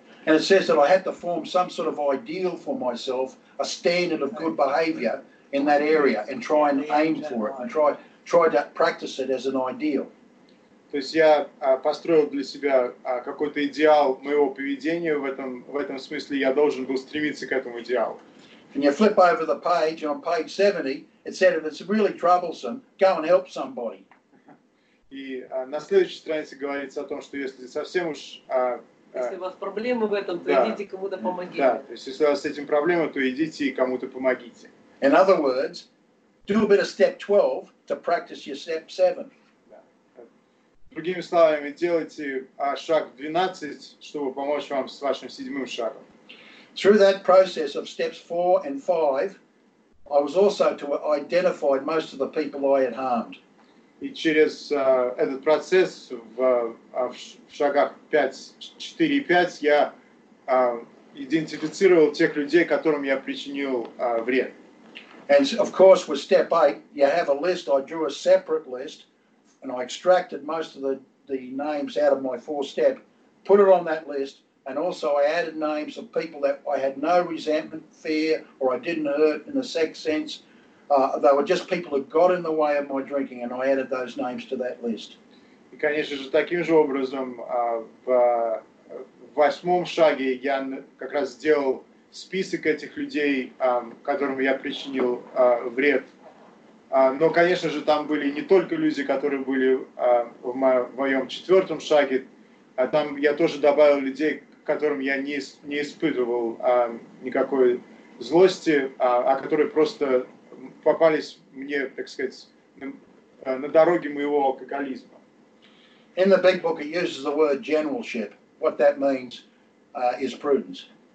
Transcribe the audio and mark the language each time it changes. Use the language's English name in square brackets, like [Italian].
[English] And it says that I had to form some sort of ideal for myself, a standard of good behavior in that area, and try and aim for it, and try to practice it as an ideal. [Russian] То есть я построил для себя какой-то идеал моего поведения в этом смысле. Я должен был стремиться к этому идеалу. [English] And you flip over the page, and on page 70, it said, if it's really troublesome, go and help somebody. [Russian] И на следующей странице говорится о том, что если совсем уж... Если у вас проблемы в этом, то идите кому-то помогите. Да, то есть если у вас с этим проблемы, то идите и кому-то помогите. [English] In other words, do a bit of step 12 to practice your step 7. [Russian] Другими словами, делайте шаг 12, чтобы помочь вам с вашим седьмым шагом. [English] Through that process of steps 4 and 5, I was also to identify most of the people I had harmed. [Russian] И через этот процесс в шагах 4 и 5 я идентифицировал тех людей, которым я причинил вред. [English] And of course, with step 8, you have a list. I drew a separate list, and I extracted most of the names out of my four step, put it on that list, and also I added names of people that I had no resentment, fear, or I didn't hurt in the sex sense. They were just people who got in the way of my drinking, and I added those names to that list. [Russian] И, конечно же, таким же образом, в восьмом шаге я как раз сделал список этих людей, которым я причинил вред. Но, конечно же, там были не только люди, которые были в моем четвертом шаге, а там я тоже добавил людей, которым я не испытывал никакой злости, а которые просто попались мне, так сказать, на дороге моего алкоголизма. [English] In the big book it uses the word generalship. What that means is prudence.